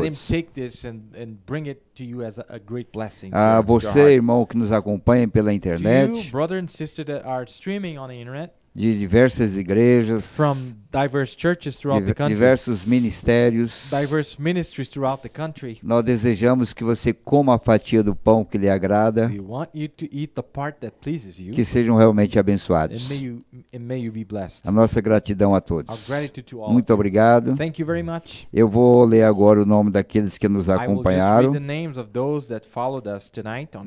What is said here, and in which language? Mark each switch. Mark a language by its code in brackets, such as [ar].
[en] Let him take this and bring it to you as a great blessing. [pt] A você, irmão, que nos acompanha pela internet. [en] To you, brother and sister that are streaming on the internet. [pt] De diversas igrejas, [en] from diverse churches throughout the country, [pt] diversos ministérios, [en] diverse ministries throughout the country. [pt] Nós desejamos que você coma a fatia do pão que lhe agrada. [en] We want you to eat the part that pleases you. [pt] Que sejam realmente abençoados. [en] And may you be blessed. [pt] A nossa gratidão a todos. [en] Our gratitude to all. [pt] Muito obrigado. [en] Thank you very much. [pt] Eu vou ler agora o nome daqueles que nos acompanharam. [en] I will just read the names of those that followed us tonight on